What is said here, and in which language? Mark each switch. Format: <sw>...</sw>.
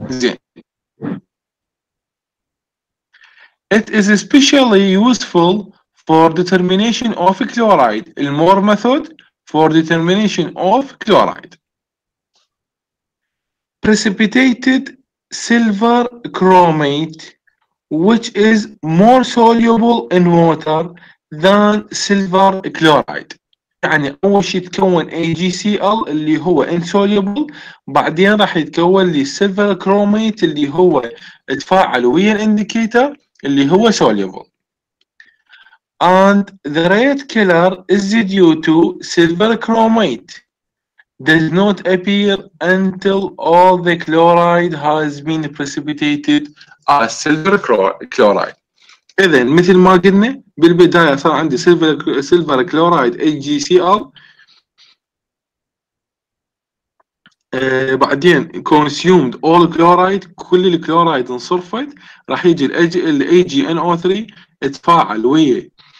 <en>زين it is especially useful for determination of chloride the more method for determination of chloride precipitated silver chromate which is more soluble in water than silver chloride.</en> <ar>يعني اول شيء تكون AgCl اللي هو insoluble، بعدين راح يتكون لي silver chromate اللي هو تفاعل ويا الانديكيتر اللي هو soluble.</ar> <en>And the red color is due to silver chromate does not appear until all the chloride has been precipitated as silver chloride.</en> <ar>إذا مثل ما قلنا بالبداية صار عندي سيلفر كلورايد AgCl، بعدين</ar> <en>consumed all chloride</en> <ar>كل الكلورايد انصرفت، راح يجي AgNO3 تفاعل ويا</ar>